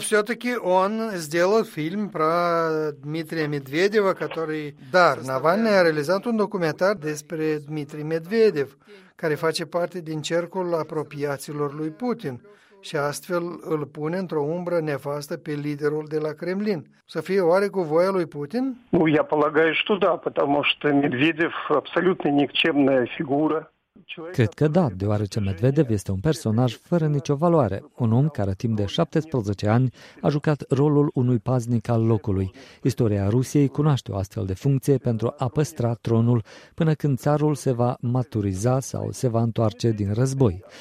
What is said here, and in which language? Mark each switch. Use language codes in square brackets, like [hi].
[ru] все-таки он сделал фильм про Дмитрия Медведева, который... Да, Навальный реализовал [ro] un documentar despre Dmitri Medvedev, care face parte din cercul apropiaților lui Putin și astfel îl pune într-o umbră nefastă pe liderul de la Kremlin. Să fie oare cu voia lui Putin? [ru] Ну, я полагаю, что да, потому что Медведев абсолютно никчемная фигура. [ro] Cred că da, deoarece Medvedev este un personaj fără nicio valoare, un om care timp de 17 ani a jucat rolul unui paznic al locului. Istoria Rusiei cunoaște o astfel de funcție pentru a păstra tronul până când țarul se va maturiza sau se va întoarce din război.